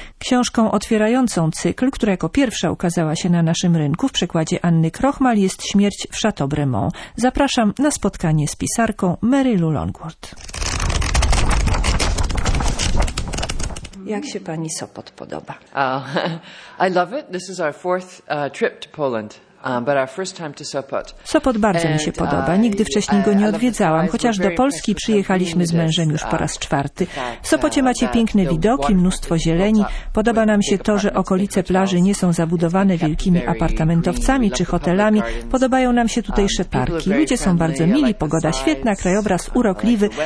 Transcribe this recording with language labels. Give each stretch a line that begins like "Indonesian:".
Polish: Książką otwierającą cykl, która jako pierwsza ukazała się na naszym rynku w przekładzie Anny Krochmal, jest Śmierć w Chateau Bremont. Zapraszam na spotkanie z pisarką Mary Lou Longworth. Jak się pani Sopot podoba?
English: I love it. This is our fourth trip to Poland, but our first time to Sopot.
Polish: Sopot bardzo mi się podoba. Nigdy wcześniej go nie odwiedzałam, chociaż do Polski przyjechaliśmy z mężem już po raz czwarty. W Sopocie macie piękne widoki, mnóstwo zieleni. Podoba nam się to, że okolice plaży nie są zabudowane wielkimi apartamentowcami czy hotelami. Podobają nam się tutejsze parki. Ludzie są bardzo mili, pogoda świetna, krajobraz urokliwy.